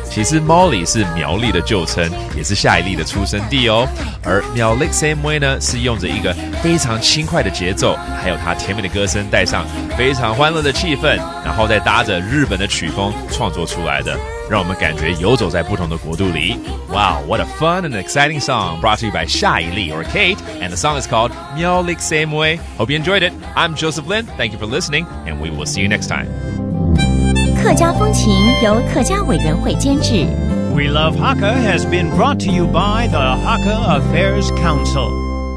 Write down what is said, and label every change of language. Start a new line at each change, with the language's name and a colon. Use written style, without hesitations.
Chinese: 其实猫里是苗栗的旧称，也是夏以儷的出生地哦。而苗栗细妹呢，是用着一个非常轻快的节奏，还有她甜美的歌声，带上非常欢乐的气氛，然后再搭着日本的曲风创作出来的，让我们感觉游走在不同的国度里。
English: Wow, what a fun and exciting song brought to you by 夏以儷 or Kate, and the song is called 苗栗细妹. Hope you enjoyed it. I'm Joseph Lin. Thank you for listening, and we will see you next time.
Chinese: 客家风情由客家委员会监制。
English: We Love Hakka has been brought to you by the Hakka Affairs Council.